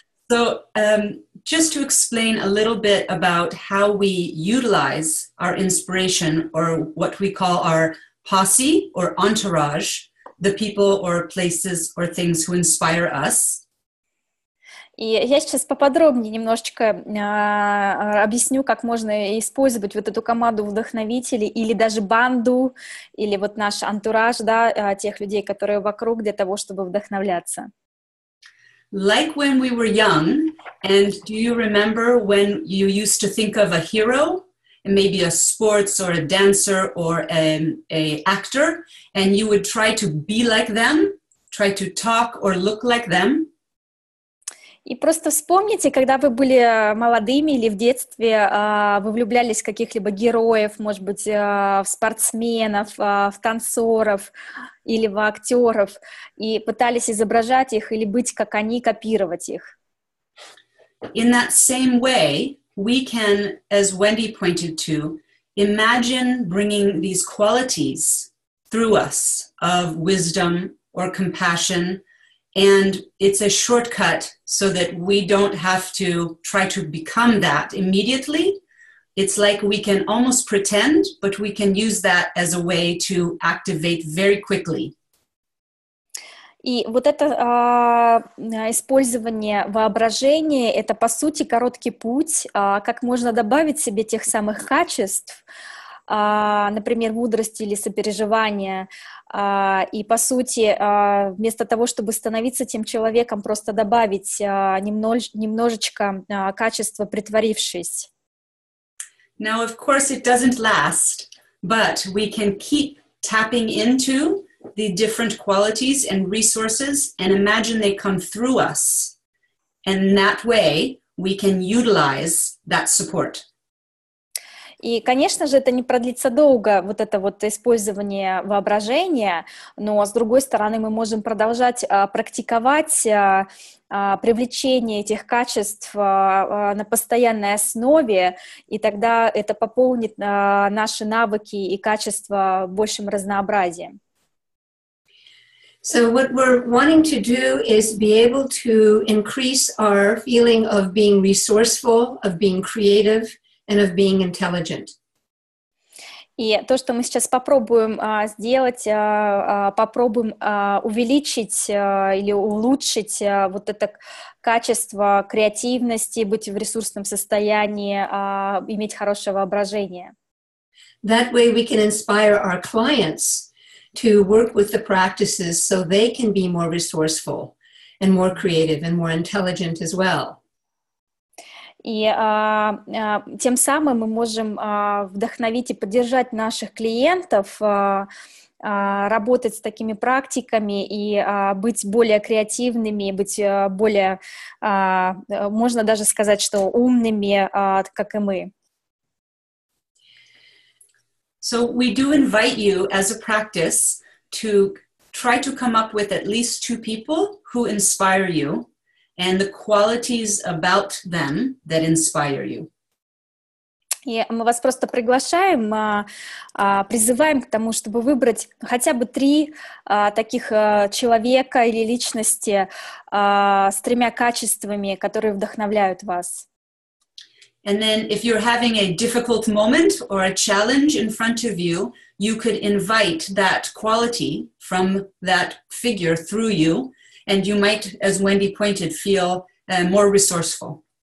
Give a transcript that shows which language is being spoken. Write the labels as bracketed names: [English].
[English] So, just to explain a little bit about how we utilize our inspiration, or what we call our posse or entourage, the people or places or things who inspire us. [Russian] И я сейчас поподробнее немножечко объясню, как можно использовать вот эту команду вдохновителей или даже банду, или вот наш антураж, да, тех людей, которые вокруг, для того, чтобы вдохновляться. [English] Like when we were young, and do you remember when you used to think of a hero, maybe a sports or a dancer or a actor, and you would try to be like them, try to talk or look like them? [Russian] И просто вспомните, когда вы были молодыми или в детстве, вы влюблялись в каких-либо героев, может быть, в спортсменов, в танцоров или в актеров, и пытались изображать их или быть как они, копировать их. [English] In that same way, we can, as Wendy pointed to, imagine bringing these qualities through us of wisdom or compassion. And it's a shortcut so that we don't have to try to become that immediately. It's like we can almost pretend, but we can use that as a way to activate very quickly. [Russian] И вот это использование воображения, это по сути короткий путь, как можно добавить себе тех самых качеств, например, мудрости или сопереживания. И, по сути, вместо того, чтобы становиться тем человеком, просто добавить немножечко качества, притворившись. [English] Now, of course, it doesn't last, but we can keep tapping into the different qualities and resources and imagine they come through us. And that way we can utilize that support. [Russian] И, конечно же, это не продлится долго, вот это вот использование воображения, но, с другой стороны, мы можем продолжать практиковать привлечение этих качеств на постоянной основе, и тогда это пополнит наши навыки и качества большим разнообразием. [English] So what we're wanting to do is be able to increase our feeling of being resourceful, of being creative, and of being intelligent. [Russian] И то, что мы сейчас попробуем сделать, попробуем увеличить или улучшить вот это качество креативности, быть в ресурсном состоянии, иметь хорошее воображение. [English] That way we can inspire our clients to work with the practices so they can be more resourceful and more creative and more intelligent as well. [Russian] И тем самым мы можем вдохновить и поддержать наших клиентов работать с такими практиками и быть более креативными, быть более, можно даже сказать, что умными, как и мы. [English] So we do invite you as a practice to try to come up with at least two people who inspire you. And the qualities about them that inspire you. [Russian] И мы вас просто приглашаем, призываем к тому, чтобы выбрать хотя бы три таких человека или личности с тремя качествами, которые вдохновляют вас. [English] And then if you're having a difficult moment or a challenge in front of you, you could invite that quality from that figure through you. And you might, as Wendy pointed, feel more resourceful.